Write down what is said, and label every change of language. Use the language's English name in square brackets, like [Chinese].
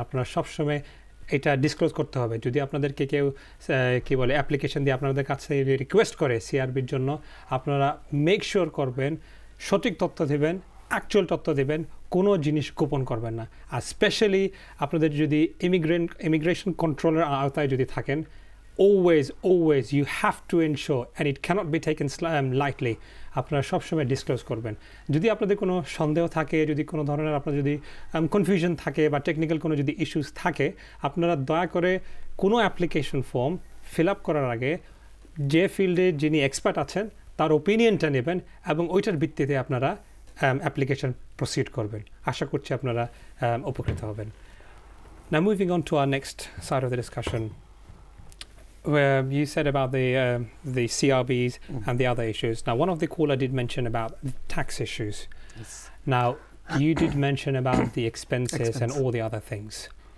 [Bangla] Apnara shobshomoy এটা disclose করতে হবে যদি আপনাদেরকে কেউ কি বলে অ্যাপ্লিকেশন দিয়ে আপনাদের কাছে রিকোয়েস্ট করে সিআরবির জন্য আপনারা মেক শিওর করবেন সঠিক তথ্য দিবেন অ্যাকচুয়াল তথ্য দিবেন কোনো জিনিস গোপন করবেন না আর স্পেশালি আপনাদের যদি ইমিগ্রেশন কন্ট্রোলার আওতায় যদি থাকেন [English] always you have to ensure, and it cannot be taken lightly, [Bangla] আপনারা সবসময় ডিসক্লোজ করবেন। যদি আপনাদের কোনো সন্দেহ থাকে, যদি কোনো ধরনের আপনার যদি কনফিউশন থাকে বা টেকনিক্যাল কোনো যদি ইস্যুস থাকে, আপনারা দয়া করে কোনো অ্যাপ্লিকেশন ফর্ম ফিল আপ করার আগে যে ফিল্ডে যিনি এক্সপার্ট আছেন তার ওপিনিয়নটা নেবেন এবং ওইটার ভিত্তিতে আপনারা অ্যাপ্লিকেশন প্রসিড করবেন। আশা করছি আপনারা উপকৃত হবেন। [English] Now moving on to our next side of the discussion, where you said about the CRBs and the other issues. Now, one of the caller did mention about the tax issues. Yes. Now, you did mention about the expenses and all the other things.